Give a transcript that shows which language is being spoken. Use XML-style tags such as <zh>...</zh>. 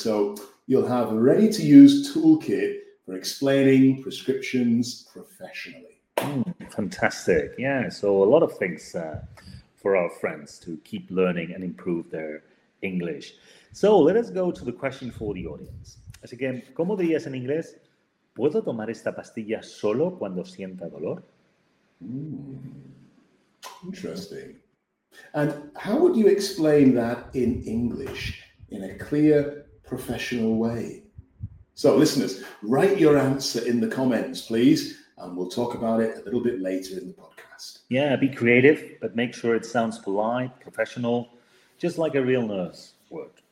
<en>So you'll have a ready to use toolkit for explaining prescriptions professionally. Fantastic. Yeah. So a lot of things for our friends to keep learning and improve their English. So let us go to the question for the audience.</en> <es>Así que, ¿cómo dirías en inglés? ¿Puedo tomar esta pastilla solo cuando sienta dolor?</es> <en>Interesting. And how would you explain that in English in a clear, professional way? So listeners, write your answer in the comments, please, and we'll talk about it a little bit later in the podcast. Yeah, be creative, but make sure it sounds polite, professional, just like a real nurse would.</en>